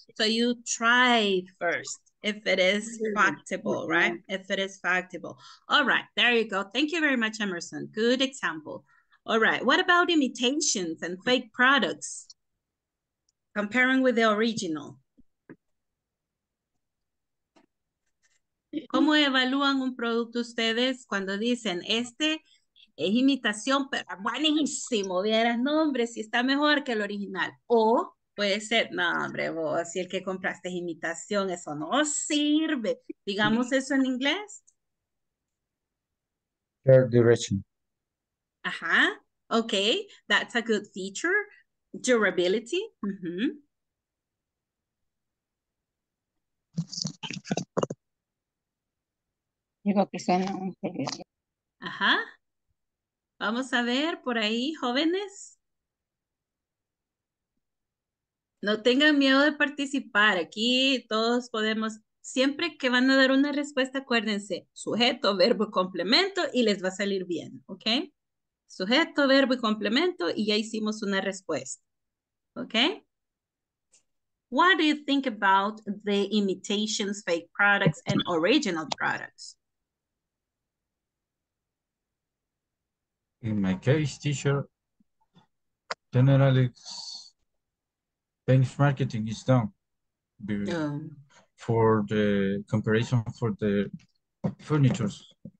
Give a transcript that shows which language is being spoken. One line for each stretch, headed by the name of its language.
English: So you try first. If it is factible, right? If it is factible. All right, there you go. Thank you very much, Emerson. Good example. All right, what about imitations and fake products comparing with the original?
Spanish: ¿Cómo evalúan un producto ustedes cuando dicen este es imitación, pero buenísimo? Vieras, no, hombre, si está mejor que el original. O puede ser, no, hombre, vos, si el que compraste es imitación, eso no sirve. Digamos eso en inglés.
English: Third duration.
Spanish: Ajá.
English: Okay, that's a good feature. Durability. Mm-hmm.
Spanish: Digo que suena un ajá. Vamos a ver por ahí, jóvenes. No tengan miedo de participar. Aquí todos podemos. Siempre que van a dar una respuesta, acuérdense. Sujeto, verbo, complemento y les va a salir bien. ¿Ok? Sujeto, verbo y complemento y ya hicimos una respuesta. ¿Ok?
English: What do you think about the imitations, fake products and original products? In my case, teacher, generally, benchmarking is done for the comparison for the furnitures.